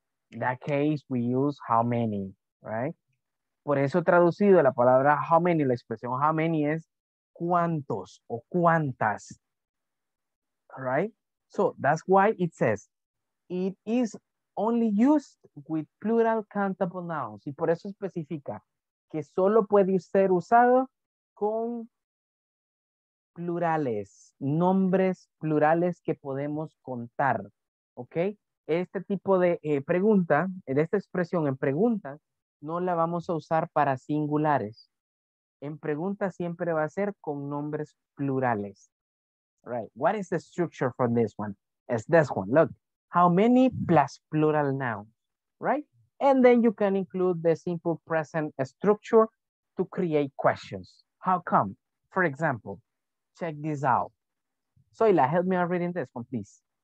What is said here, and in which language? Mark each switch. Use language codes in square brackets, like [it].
[en] In that case, we use how many, right? [es] Por eso traducido la palabra how many, la expresión how many es cuántos o cuántas, right? [en] So that's why it says it is only used with plural countable nouns. [es] Y por eso especifica que solo puede ser usado con plurales, nombres plurales que podemos contar, okay? Este tipo de pregunta, de esta expresión en preguntas, no la vamos a usar para singulares. En preguntas siempre va a ser con nombres plurales. [en] All right, what is the structure for this one? It's this one, look. How many plus plural nouns, right? And then you can include the simple present structure to create questions. How come? For example, check this out. Zoila, help me out reading this one, please.